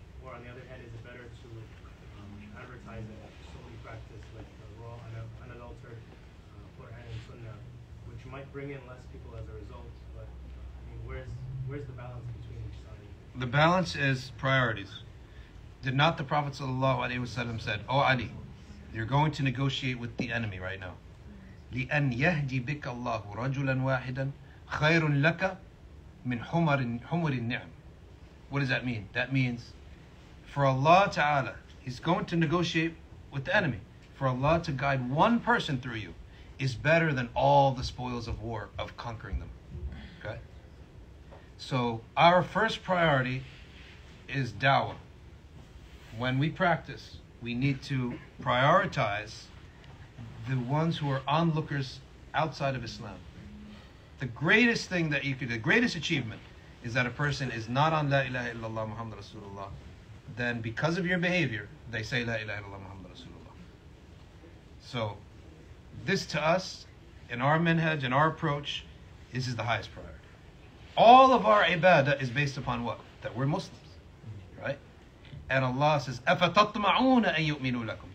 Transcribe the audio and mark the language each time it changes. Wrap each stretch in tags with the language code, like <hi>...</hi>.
<en>Or on the other hand, is it better to advertise it, solely practice like a raw, unadulterated Quran and Sunnah, which might bring in less people as a result? But I mean, where's the balance between each side? The balance is priorities. Did not the Prophet sallallahu alaihi wasallam said, "Oh Ali, you're going to negotiate with the enemy right now.</en> <ar>لأن يهدي بك الله رجلا واحدا خير لك من حمر النعم."</ar> <en>What does that mean? That means for Allah Ta'ala, He's going to negotiate with the enemy. For Allah to guide one person through you is better than all the spoils of war, of conquering them. Okay? So our first priority is da'wah. When we practice, we need to prioritize the ones who are onlookers outside of Islam. The greatest thing that you could, the greatest achievement is that a person is not on La ilaha illallah Muhammad Rasulullah. Then because of your behavior, they say La ilaha illallah Muhammad Rasulullah. So this to us, in our manhaj, in our approach, this is the highest priority. All of our ibadah is based upon what? That we're Muslims, right? And Allah says,</en> <ar>أَفَتَطْمَعُونَ أَن يُؤْمِنُوا لَكُمْ.</ar>